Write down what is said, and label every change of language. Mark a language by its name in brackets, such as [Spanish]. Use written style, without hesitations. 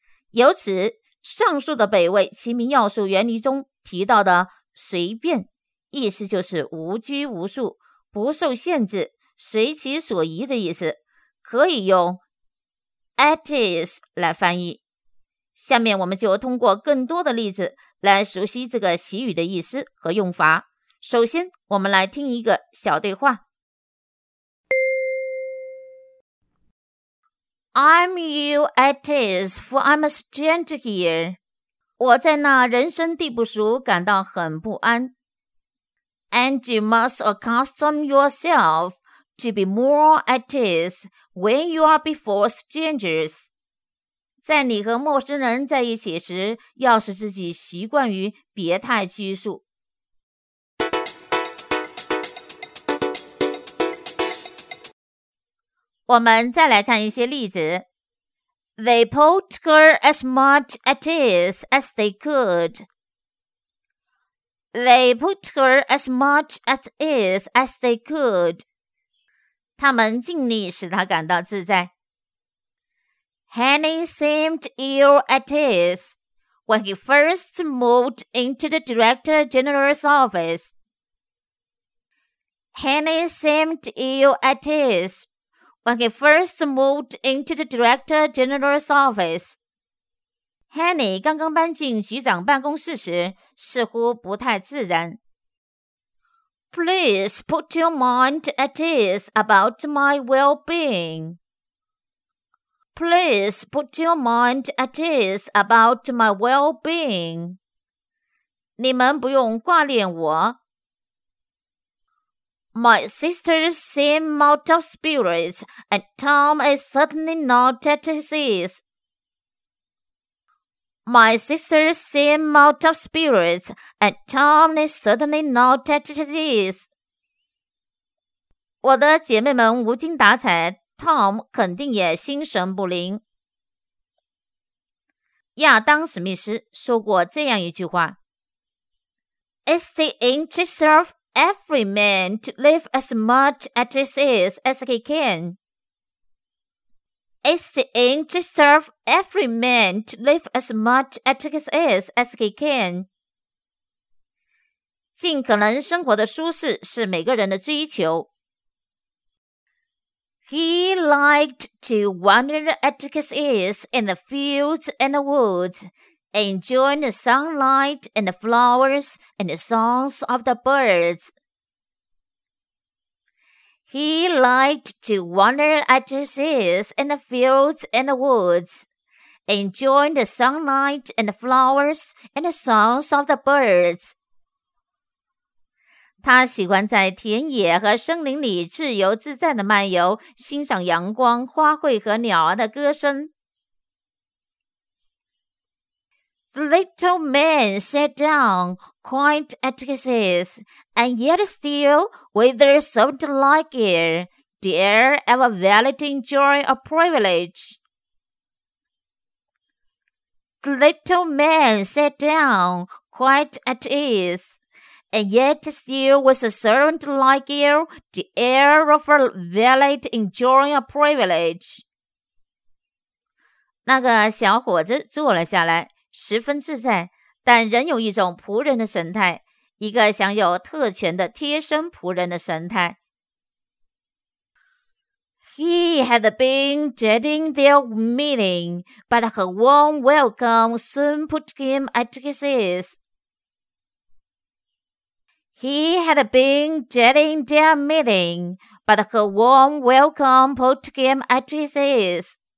[Chinese] 由此，上述的北魏《齐民要术原离》中提到的随便，意思就是无拘无束、不受限制、随其所宜的意思，可以用 at ease 来翻译。下面我们就通过更多的例子来熟悉这个习语的意思和用法。首先，我们来听一个小对话。 [English] I'm you at ease, for I'm a stranger here. [Chinese] 我在那人生地不熟，感到很不安。 [English] And you must accustom yourself to be more at ease when you are before strangers. [Chinese] 在你和陌生人在一起时，要使自己习惯于别太拘束。我们再来看一些例子。 [English] They put her as much at ease as they could. They put her as much at ease as they could. [Chinese] 他们尽力使她感到自在。 [English] Henny seemed ill at ease when he first moved into the Director General's office. Henny seemed ill at ease. When he first moved into the Director General's office, [Chinese] Henny 刚刚搬进局长办公室时似乎不太自然。 [English] Please put your mind at ease about my well-being. Please put your mind at ease about my well-being. [Chinese] 你们不用挂念我。 [English] My sisters seem out of spirits, and Tom is certainly not at his ease. My sisters seem out of spirits, and Tom is certainly not at his ease. [Chinese] 我的姐妹们无精打采， Tom 肯定也心神不宁。亚当·史密斯说过这样一句话， [English] It's the interest ofEvery man to live as much at his ease as he can. It's the interest of every man to live as much at his ease as he can. [Chinese] 尽可能生活的舒适是每个人的追求。 [English] He liked to wander at his ease in the fields and the woods, enjoying the sunlight and the flowers and the songs of the birds. He liked to wander at his ease in the fields and the woods, enjoying the sunlight and the flowers and the songs of the birds. [Chinese] 他喜欢在田野和森林里自由自在地漫游，欣赏阳光、花卉和鸟儿的歌声。 [English] The little man sat down quite at his ease, and yet still withered so delightful, the air of a valiant joy or privilege. The little man sat down quite at ease, and yet still with a servant like you, the air of a valiant enjoying a privilege. [Chinese] 那个小伙子坐了下来，十分自在，但仍有一种仆人的神态，一个享有特权的贴身仆人的神态。 [English] He had been dreading their meeting, but her warm welcome soon put him at his ease. He had been dreading their meeting, but her warm welcome put him at his ease.